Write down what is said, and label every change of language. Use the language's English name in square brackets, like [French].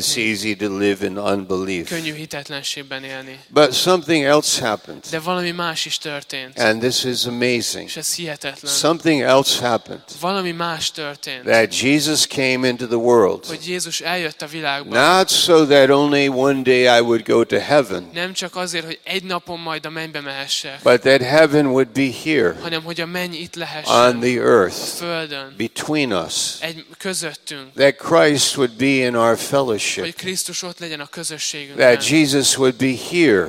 [English] It's easy to live in unbelief. [Hungarian] Könnyű hitetlenségben élni. [English] But something else happened. [Hungarian] De valami más is történt. [English] And this is amazing. [Hungarian] És ez hihetetlen. [English] Something else happened. [Hungarian] Valami más történt. [English] That Jesus came into the world. [Hungarian] Hogy Jézus eljött a világba. [English] Not so that only one day I would go to heaven. [Hungarian] Nem csak azért, hogy egy napon majd a mennybe mehessek. [English] But that heaven would be here. [Hungarian] Hanem hogy a menny itt lehessen. [English] On the earth. [Hungarian] A földön. [English] Between us. [Hungarian] Egy közöttünk. [English] That Christ would be in our fellowship. [Hungarian] Hogy Krisztus ott legyen a közösségünkben. [English] That Jesus would be here.